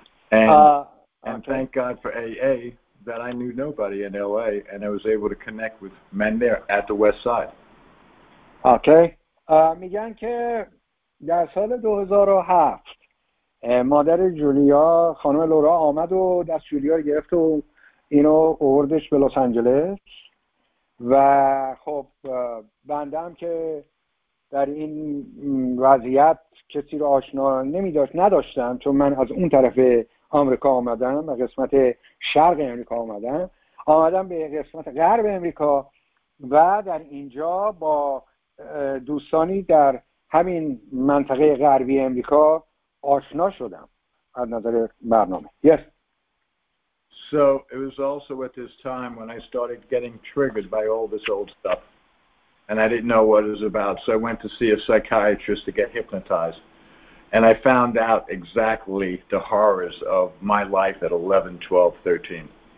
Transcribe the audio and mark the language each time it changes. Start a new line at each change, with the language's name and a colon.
English: And thank God for AA that I knew nobody in LA and I was able to connect with men there at the West Side. Okay.
Persian: میگن که در سال 2007 مادر جولیا خانم لورا آمد و دست جولیا رو گرفت و اینو آوردش به لس آنجلس و خب بنده هم که در این وضعیت کسی رو آشنا نداشتم چون من از اون طرف آمریکا آمدم و قسمت شرق آمریکا آمدم به قسمت غرب آمریکا و در اینجا با دوستانی در همین منطقه غربی امریکا آشنا شدم از نظر برنامه. Yes.
English: So it was also at this time when I started getting triggered by all this old stuff and I didn't know what it was about, so I went to see a psychiatrist to get hypnotized and I found out exactly the horrors of my life at 11, 12, 13.